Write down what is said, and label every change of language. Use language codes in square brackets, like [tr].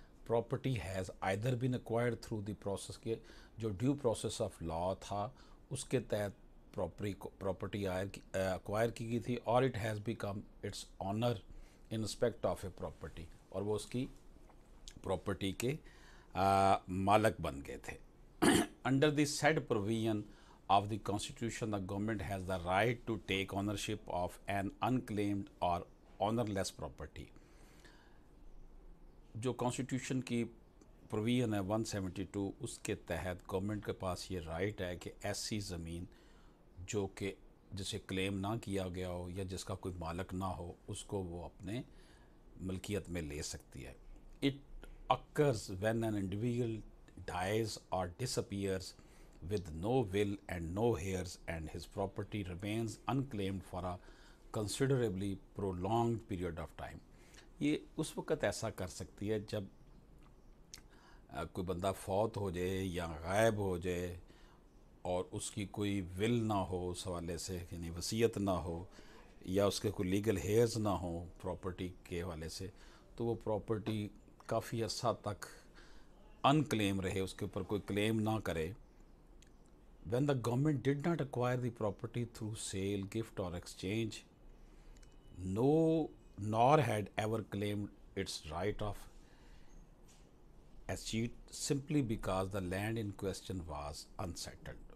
[en] property has either been acquired through the process, [ur] کے جو due process of law تھا اس کے تحت پراپرٹی اکوائر کی گئی تھی, [en] اور it has become its owner in respect of a property, [ur] اور وہ اس کی پراپرٹی کے مالک بن گئے تھے. [en] Under the said provision of the constitution the government has the right to take ownership of an unclaimed or ownerless property. [ur] جو constitution کی provision ہے 172, اس کے تحت گورنمنٹ کے پاس یہ رائٹ ہے کہ ایسی زمین جو کہ جسے کلیم نہ کیا گیا ہو یا جس کا کوئی مالک نہ ہو اس کو وہ اپنے ملکیت میں لے سکتی ہے. [en] It occurs when an individual dies or disappears with no will and no heirs and his property remains unclaimed for a considerably prolonged period of time. [ur] یہ اس وقت ایسا کر سکتی ہے جب کوئی بندہ فوت ہو جائے یا غائب ہو جائے اور اس کی کوئی ول نہ ہو اس حوالے سے, یعنی وصیت نہ ہو یا اس کے کوئی لیگل ہیئرز نہ ہو پراپرٹی کے حوالے سے, تو وہ پراپرٹی کافی عرصہ تک انکلیم رہے, اس کے اوپر کوئی کلیم نہ کرے. [en] When the government did not acquire the property through sale, gift or exchange, no nor had ever claimed its right of escheat simply because the land in question was unsettled.